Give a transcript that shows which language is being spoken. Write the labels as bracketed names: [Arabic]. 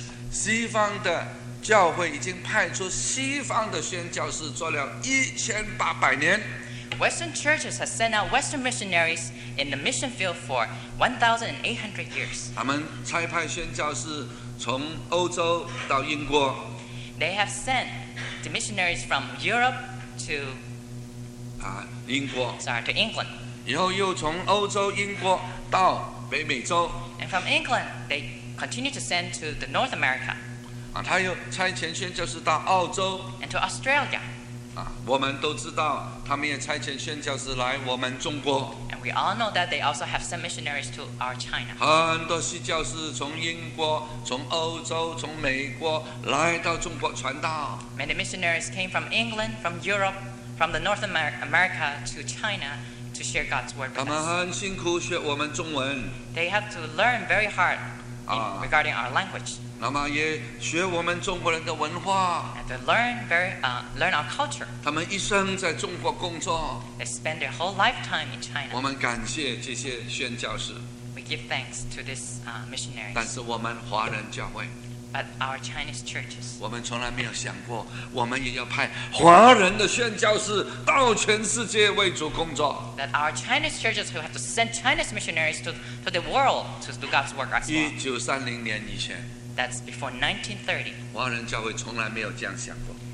[Chinese] 西方的教会已经派出西方的宣教士做了1800年。 [English] Western churches have sent out Western missionaries in the mission field for 1,800 years. [Chinese] 他们差派宣教士从欧洲到英国。 [English] They have sent the missionaries from Europe to [Chinese] 英国。 [English] Sorry, to England. [Chinese] 以后又从欧洲、英国到北美洲。 [English] And from England, they continue to send to the North America. [Chinese] 他又差遣宣教士到澳洲。 [English] And to Australia. [Chinese] 我们都知道，他们也差遣宣教士来我们中国。 [English] And we all know that they also have sent missionaries to our China. [Chinese] 很多西教士从英国、从欧洲、从美国来到中国传道。 [English] Many missionaries came from England, from Europe, from the North America to China to share God's word with us. [Chinese] 他们很辛苦学我们中文。 [English] They have to learn very hard regarding our language. [Chinese] 那么也学我们中国人的文化。 [English] And they learn our culture. [Chinese] 他们一生在中国工作。 [English] They spend their whole lifetime in China. [Chinese] 我们感谢这些宣教士。 [English] We give thanks to these missionaries. [Chinese] 但是我们华人教会。 [English] But our Chinese churches. [Chinese] 我们从来没有想过，我们也要派华人的宣教士到全世界为主工作。 [English] That our Chinese churches who have to send Chinese missionaries to the world to do God's work as well. [Chinese] 1930年以前。 [English] That's before 1930. [Chinese] 华人教会从来没有这样想过。